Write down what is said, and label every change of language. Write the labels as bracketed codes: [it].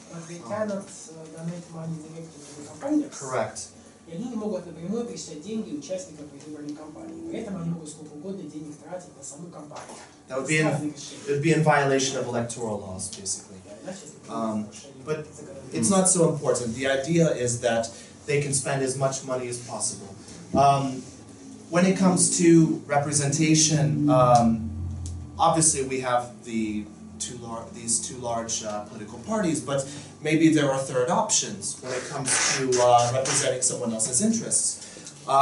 [en] But they cannot donate money directly to the campaigners. Correct. [ru] И они не могут напрямую перечислять деньги участникам предвыборной кампании. При этом они могут сколько угодно денег тратить на саму кампанию. [en] That would be in, it would be in violation of electoral laws, basically. But it's not so important. The idea is that they can spend as much money as possible. When it comes to representation, obviously we have these two large political parties, but maybe there are third options when it comes to representing someone else's interests.